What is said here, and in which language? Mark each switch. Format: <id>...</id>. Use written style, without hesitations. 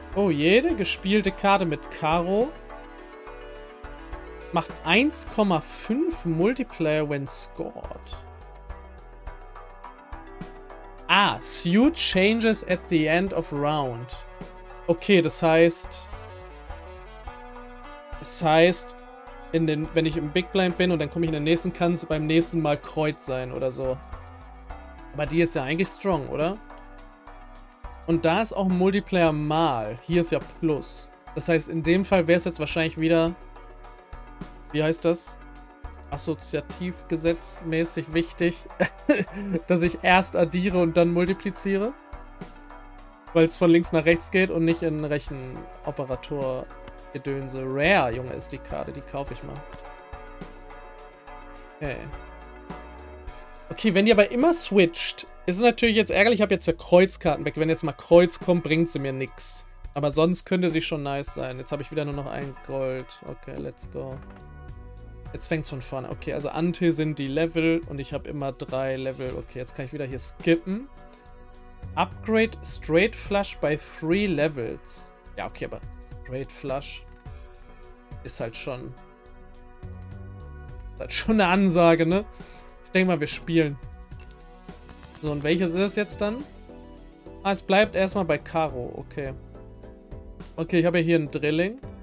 <de>Jede gespielte Karte mit Karo macht 1,5 Multiplayer,</de> <en>when scored. Ah, Suit changes at the end of round.</en> <de>Okay, das heißt, wenn ich im Big Blind bin und dann komme ich in den nächsten, kann es beim nächsten Mal Kreuz sein oder so. Aber die ist ja eigentlich strong, oder? Und da ist auch Multiplayer mal. Hier ist ja Plus. Das heißt, in dem Fall wäre es jetzt wahrscheinlich wieder, wie heißt das? Assoziativ gesetzmäßig wichtig, dass ich erst addiere und dann multipliziere. Weil es von links nach rechts geht und nicht in Rechenoperator-Gedönse. Rare, Junge, ist die Karte. Die kaufe ich mal. Okay. Okay, wenn die aber immer switcht, ist natürlich jetzt ärgerlich. Ich habe jetzt ja Kreuzkarten weg. Wenn jetzt mal Kreuz kommt, bringt sie mir nichts. Aber sonst könnte sie schon nice sein. Jetzt habe ich wieder nur noch ein Gold. Okay,</de> <en>let's go.</en> <de>Jetzt fängt es von vorne. Okay, also Ante sind die Level und ich habe immer drei Level. Okay, jetzt kann ich wieder hier skippen.</de> <en>Upgrade Straight Flush by 3 Levels.</en> <de>Ja, okay, aber Straight Flush ist halt schon. Ist halt schon eine Ansage, ne? Ich denke mal, wir spielen. So, und welches ist es jetzt dann? Ah, es bleibt erstmal bei Karo. Okay. Okay, ich habe hier einen Drilling.</de>